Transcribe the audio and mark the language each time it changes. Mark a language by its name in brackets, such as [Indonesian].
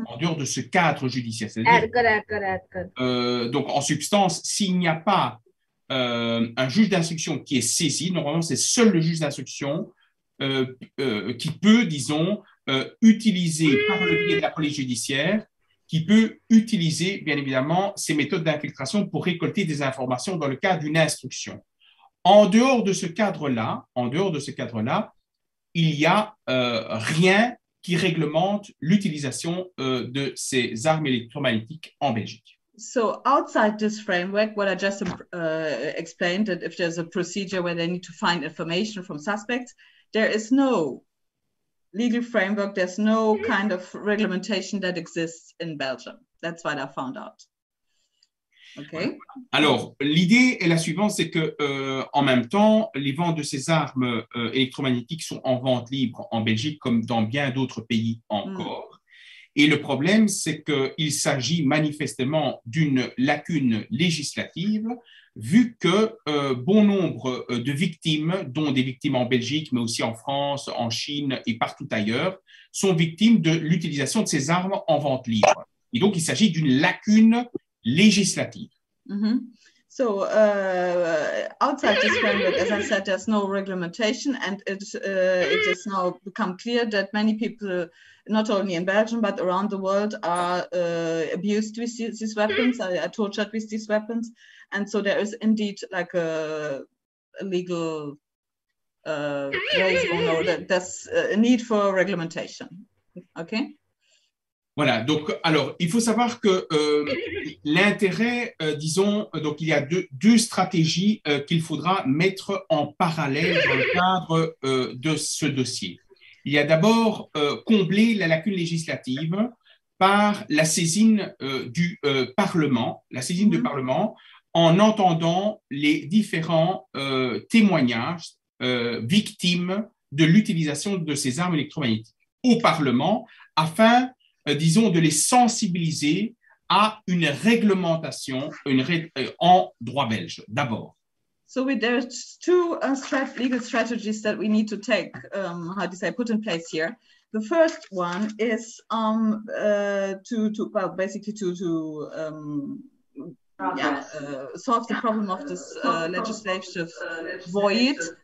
[French] En dehors de ce cadre judiciaire, c'est-à-dire, donc en substance, s'il n'y a pas un juge d'instruction qui est saisi, normalement, c'est seul le juge d'instruction qui peut, disons, utiliser par le biais de la police judiciaire, qui peut utiliser, bien évidemment, ces méthodes d'infiltration pour récolter des informations dans le cadre d'une instruction. En dehors de ce cadre-là, en dehors de ce cadre-là, il n'y a rien qui réglemente l'utilisation de ces armes électromagnétiques en Belgique. [English] So outside this framework, what I just explained, that if there's a procedure where they need to find information from suspects, there is no legal framework, there's no kind of reglementation that exists in Belgium. That's what I found out. Okay. [French] Alors, l'idée est la suivante, c'est que en même temps, les ventes de ces armes électromagnétiques sont en vente libre en Belgique comme dans bien d'autres pays encore. Et le problème, c'est qu'il s'agit manifestement d'une lacune législative, vu que bon nombre de victimes, dont des victimes en Belgique, mais aussi en France, en Chine et partout ailleurs, sont victimes de l'utilisation de ces armes en vente libre. Et donc, il s'agit d'une lacune législative. [English] So, outside this framework, as I said, there's no reglementation, and it has now become clear that many people, not only in Belgium but around the world, are abused with these weapons, are tortured with these weapons, and so there is indeed like a legal place, or no, that there's a need for reglementation. Okay. [French] Voilà, donc alors il faut savoir que l'intérêt, disons, donc il y a deux stratégies qu'il faudra mettre en parallèle dans le cadre de ce dossier. Il y a d'abord combler la lacune législative par la saisine du Parlement, la saisine du Parlement en entendant les différents témoignages victimes de l'utilisation de ces armes électromagnétiques au Parlement afin, disons, de les sensibiliser à une réglementation en droit belge, d'abord. [English] So there's two legal strategies that we need to take, how to say, put in place here. The first one is well, basically solve the problem of this legislative void.